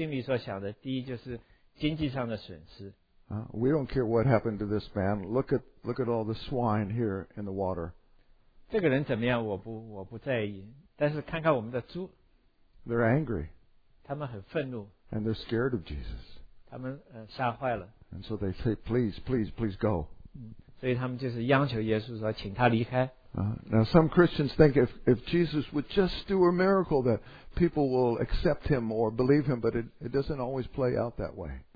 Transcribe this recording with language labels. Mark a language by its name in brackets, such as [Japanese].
[Chinese] 就像我们今天也许有一些人名义上他们自称为基督徒，但是他们心里所想的第一就是经济上的损失。 [English] We don't care what happened to this man. Look at all the swine here in the water. [Chinese] 这个人怎么样？我不在意。但是看看我们的猪。 [English] They're angry. [Chinese] 他们很愤怒。 [English] And they're scared of Jesus. [Chinese] 他们吓坏了。And [English] so they say, please, please, please go. [Chinese] 所以他们就是央求耶稣说，请他离开。 [English] Now some Christians think if Jesus would just do a miracle that people will accept him or believe him, but it doesn't always play out that way.